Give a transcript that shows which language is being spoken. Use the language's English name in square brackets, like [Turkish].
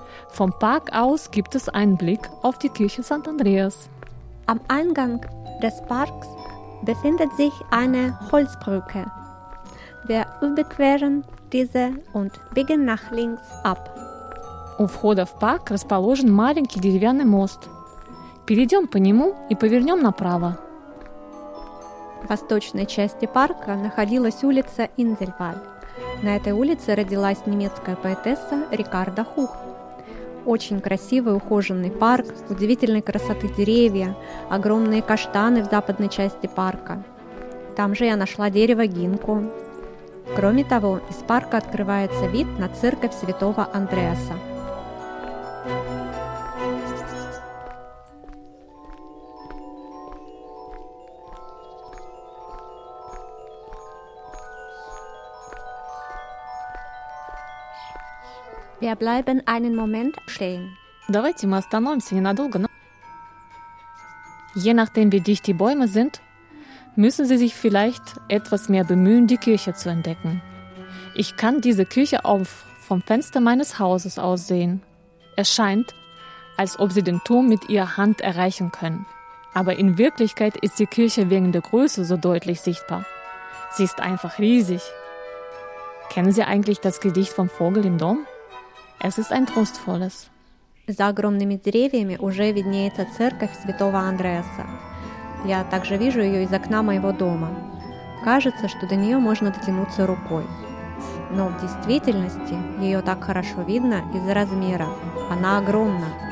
[German] Vom Park aus gibt es einen Blick auf die Kirche St. Andreas. Am Eingang des Parks befindet sich eine Holzbrücke. Wir überqueren diese und biegen nach links ab. [Russian] У входа в парк расположен маленький деревянный мост. Перейдем по нему и повернем направо. В восточной части парка находилась улица Инзельваль. На этой улице родилась немецкая поэтесса Рикарда Хух. Очень красивый ухоженный парк, удивительной красоты деревья, огромные каштаны в западной части парка. Там же я нашла дерево гинко. Кроме того, из парка открывается вид на церковь Святого Андреаса. [German] Wir bleiben einen Moment stehen. [Russian] Давайте мы остановимся ненадолго, но... [German] Je nachdem, wie dicht die Bäume sind, müssen Sie sich vielleicht etwas mehr bemühen, die Kirche zu entdecken. Ich kann diese Kirche auch vom Fenster meines Hauses aus sehen. Es scheint, als ob Sie den Turm mit Ihrer Hand erreichen können. Aber in Wirklichkeit ist die Kirche wegen der Größe so deutlich sichtbar. Sie ist einfach riesig. Kennen Sie eigentlich das Gedicht vom Vogel im Dom? Es ist ein trostvolles. [Russian] За огромными деревьями уже виднеется церковь Святого Андреаса. Я также вижу ее из окна моего дома. Кажется, что до нее можно дотянуться рукой. Но в действительности ее так хорошо видно из-за размера. Она огромна.